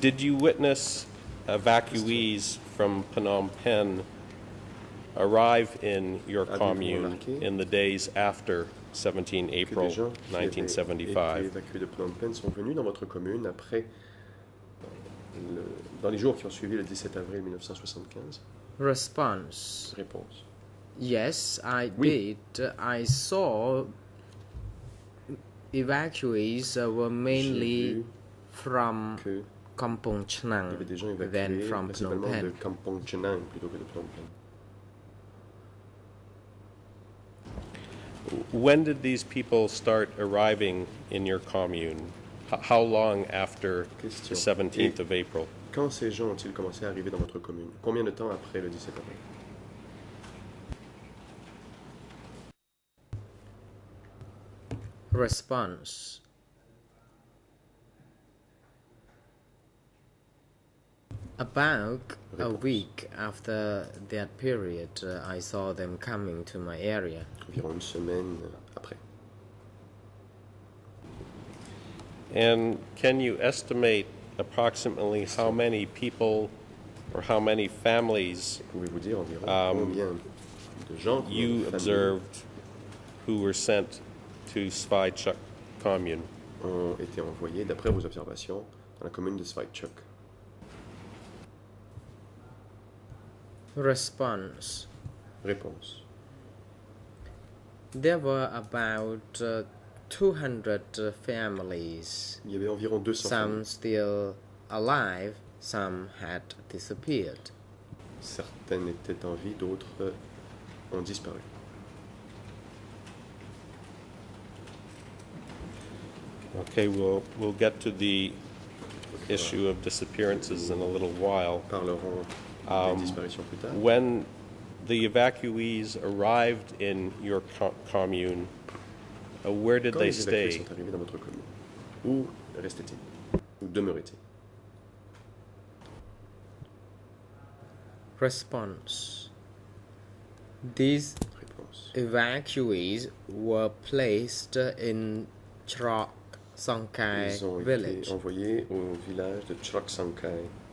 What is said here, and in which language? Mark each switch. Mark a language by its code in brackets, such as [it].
[en] Did you witness evacuees from Phnom Penh arrive in your commune in the days after 17 April 1975. [fr] Les sont venus dans votre commune après dans les jours qui ont suivi le 17 avril 1975. Réponse. [en] Yes, I did. I saw evacuees were mainly from Kampong Chenang than from [fr] Kampong Chenang plutôt que de Phnom Penh. [en] When did these people start arriving in your commune? How long after the 17th of April? [fr] Quand ces gens ont-ils commencé à arriver dans votre commune? Combien de temps après le 17 avril? [en] Response. About a week after that period, I saw them coming to my area. [fr] Environ une semaine après. [en] And can you estimate approximately how many people or how many families you observed who were sent to Svaychuk commune? [fr] Ont été envoyés, d'après vos observations, dans la commune de Svaychuk. [en] Response. There were about 200 families. [fr] Il y avait environ 200 [en] some [fr] familles. [en] Still alive, some had disappeared. [fr] Certaines étaient en vie, d'autres ont disparu. [en] Okay, we'll get to the issue of disappearances in a little while. [fr] Parlerons. [en] When the evacuees arrived in your commune, where did they stay? [fr] Quand les évacués sont arrivés dans votre commune, où restaient-ils? Où demeuraient-ils? [en] Response. These evacuees were placed in Chrok Sangkai village. [fr] Ils ont été envoyés au village de Chrok Sangkai.